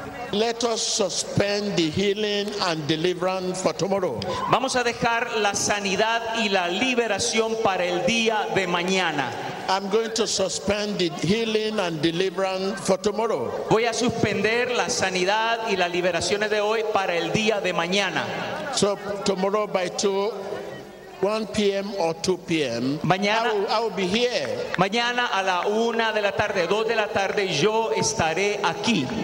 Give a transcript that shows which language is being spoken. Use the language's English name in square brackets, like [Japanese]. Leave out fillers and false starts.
[English] Let us suspend the healing and deliverance for tomorrow. [Spanish] Vamos a dejar la sanidad y la liberación para el día de mañana. [English] I'm going to suspend the healing and deliverance for tomorrow. [Spanish] Voy a suspender la sanidad y las liberaciones de hoy para el día de mañana. [English] So tomorrow by 1 p.m. or 2 p.m. [Spanish] Mañana, [English] I will be here. [Spanish] Mañana a la 1 de la tarde, 2 de la tarde, yo estaré aquí.